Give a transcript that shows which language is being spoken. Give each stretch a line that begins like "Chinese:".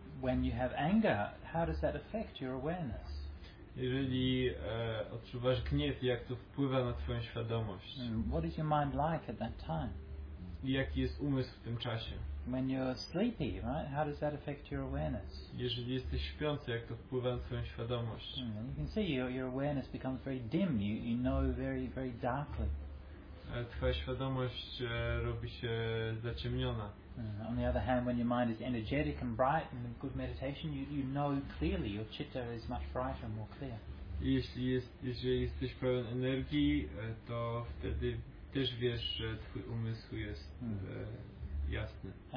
English: When you have anger, how does that affect your awareness?
Polish: Jeżeli odczuwasz gniew, jak to wpływa na twoją świadomość?
English: What is your mind like at that time?
Polish: Jaki jest umysł w tym czasie?
English: When you're sleepy, right? How does that affect your awareness?
Polish: Jeżeli jesteś śpiący, jak to wpływa na twoją świadomość?
English: You can see your awareness becomes very dim. You know very, very darkly.
Polish: Twoja świadomość robi się zaciemniona.
English: On the other hand, when your mind is energetic and bright and in good meditation, you know clearly, your citta is much brighter and more clear.
Polish: Jeśli jesteś pełen energii, to wtedy też wiesz, że twój umysł jest jasny.